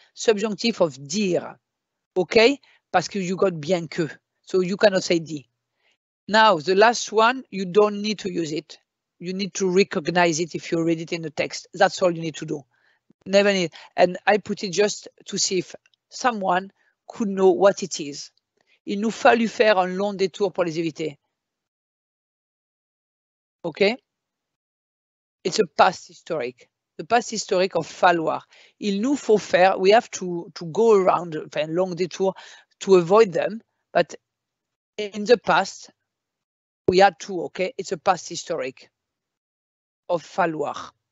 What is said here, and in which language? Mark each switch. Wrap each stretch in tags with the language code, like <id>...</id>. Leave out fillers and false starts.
<en>Subjunctive of dire. Okay? Parce que you got bien que. So you cannot say di. Now, the last one, you don't need to use it. You need to recognize it if you read it in the text. That's all you need to do. Never need. And I put it just to see if someone could know what it is.</en> <fr>Il nous fallut faire un long détour pour les éviter.</fr> <en>Okay, it's a past historic, the past historic of falloir.</en> <fr>Il nous faut faire,</fr> <en>we have to go around, enfin, long detour, to avoid them, but in the past, we had to, okay, it's a past historic of falloir.</en>